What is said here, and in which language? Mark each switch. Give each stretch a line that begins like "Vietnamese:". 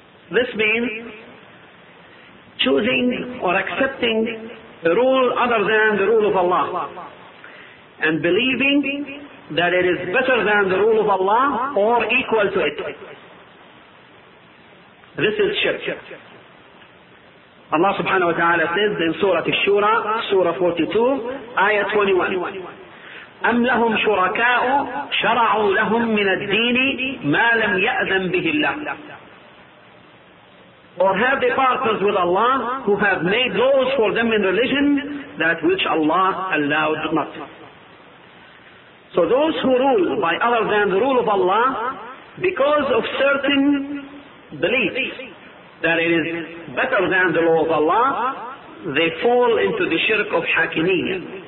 English: This means choosing or accepting the rule other than the rule of Allah, and believing that it is better than the rule of Allah or equal to it. This is shirk. Allah subhanahu wa ta'ala says in Surah Ash-Shura, Surah 42, Ayah 21,
Arabic: أَمْ لَهُمْ شُرَكَاءُ شَرَعُوا لَهُمْ مِنَ الدِّينِ مَا لَمْ يَأْذَنْ بِهِ اللَّهِ.
English: Or have they partners with Allah who have made laws for them in religion that which Allah allowed not? So those who rule by other than the rule of Allah because of certain belief that it is better than the law of Allah, they fall into the shirk of hakimiyya.